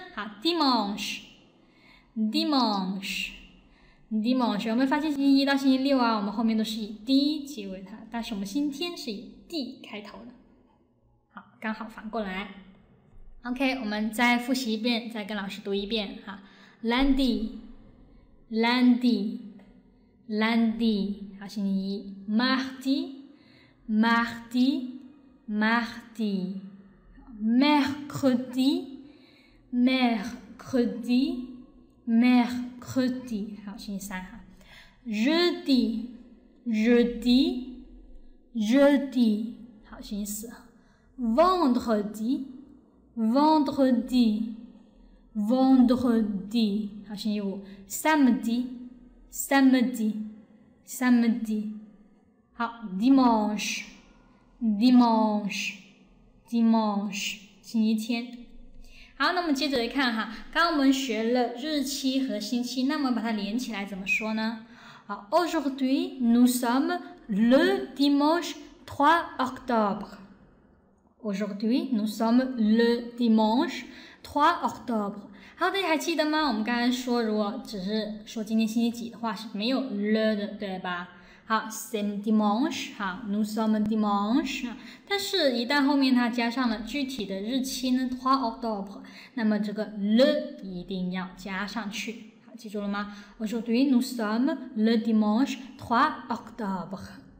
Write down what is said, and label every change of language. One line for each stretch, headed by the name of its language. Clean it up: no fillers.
French: 好 ，dimanche， dimanche。
Chinese: Dimanche， 有没有发现星期一到星期六啊？我们后面都是以 D 结尾的，但是我们星期天是以 D 开头的。好，刚好反过来。OK， 我们再复习一遍，再跟老师读一遍哈。
French: Lundi， Lundi， Lundi，
Chinese: 好，星期一。
French: Mardi， Mardi， Mardi， Mercredi， Mercredi。
Chinese: Mercredi， 好，星期三哈。
French: Jeudi， jeudi， jeudi，
Chinese: 好，星期四。
French: Vendredi， vendredi， vendredi，
Chinese: 好，星期五。
French: Samedi， samedi， samedi， 好。 Dimanche， dimanche， dimanche， 星期天。
Chinese: 好，那么接着来看哈，刚我们学了日期和星期，那么把它连起来怎么说呢？
French: 好 ，Aujourd'hui nous sommes le dimanche 3 octobre. Aujourd'hui nous sommes le dimanche 3 octobre.
Chinese: 好，大家还记得吗？我们刚才说，如果只是说今天星期几的话，是没有 le 的，对吧？好 ，c'est dimanche， 好 ，nous sommes dimanche， 但是，一旦后面它加上了具体的日期呢 ，3 octobre， 那么这个 le 一定要加上去，好，记住了吗 ？
French: Aujourd'hui nous sommes le dimanche 3 octobre。